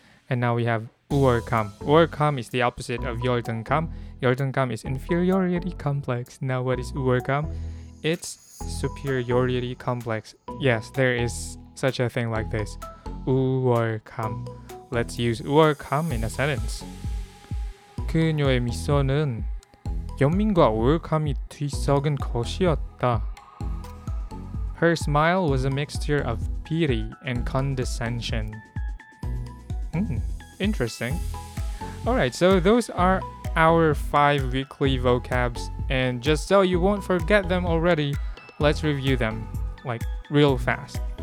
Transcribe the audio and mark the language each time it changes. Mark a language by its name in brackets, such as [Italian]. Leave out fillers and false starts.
[English] And now we have 우월감. 우월감 is the opposite of 열등감. 열등감 is inferiority complex. Now what is 우월감? It's superiority complex. Yes, there is such a thing like this. 우월감. Let's use 우월감 in a sentence. [Korean] 그녀의 미소는 연민과 우울감이 뒤섞은 것이었다. [English] Her smile was a mixture of pity and condescension. Interesting. Alright, so those are our 5 weekly vocabs, and just so you won't forget them already, let's review them, like, real fast.